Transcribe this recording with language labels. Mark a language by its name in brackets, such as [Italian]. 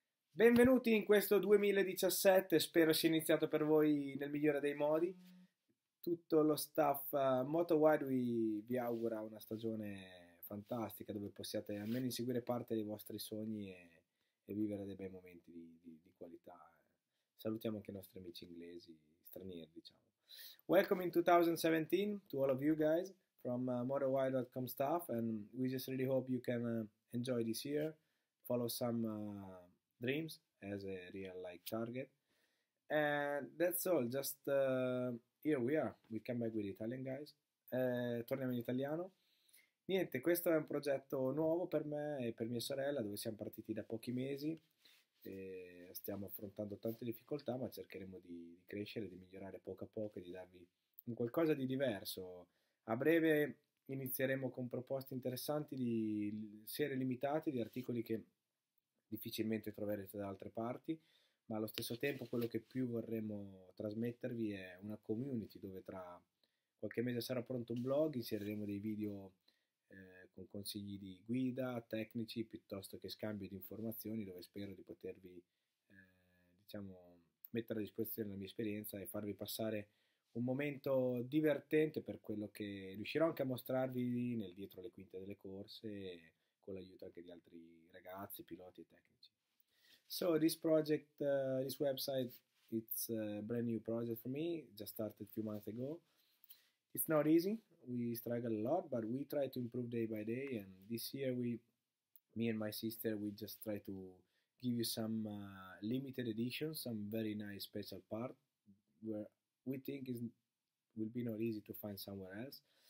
[Italian] Benvenuti in questo 2017, spero sia iniziato per voi nel migliore dei modi. Tutto lo staff Motowide vi augura una stagione fantastica dove possiate almeno inseguire parte dei vostri sogni e vivere dei bei momenti di qualità. Salutiamo anche i nostri amici inglesi, stranieri, diciamo. [English] Welcome in 2017 to all of you guys from Motowide.com staff, and we just really hope you can enjoy this year, follow some dreams as a real life target. And that's all, just here we are, we come back with Italian guys. [Italian] Torniamo in italiano. Niente, questo è un progetto nuovo per me e per mia sorella, dove siamo partiti da pochi mesi. E stiamo affrontando tante difficoltà, ma cercheremo di crescere, di migliorare poco a poco e di darvi un qualcosa di diverso. A breve inizieremo con proposte interessanti di serie limitate, di articoli che difficilmente troverete da altre parti, ma allo stesso tempo quello che più vorremmo trasmettervi è una community dove tra qualche mese sarà pronto un blog, inseriremo dei video con consigli di guida, tecnici, piuttosto che scambio di informazioni, dove spero di potervi diciamo, mettere a disposizione la mia esperienza e farvi passare un momento divertente per quello che riuscirò anche a mostrarvi nel dietro le quinte delle corse, con l'aiuto anche di altri ragazzi, piloti e tecnici. [English] So, this project, this website, it's a brand new project for me, just started a few months ago. It's not easy, we struggle a lot, but we try to improve day by day, and this year me and my sister, we just try to give you some limited edition, some very nice special part, where we think it will be not easy to find somewhere else.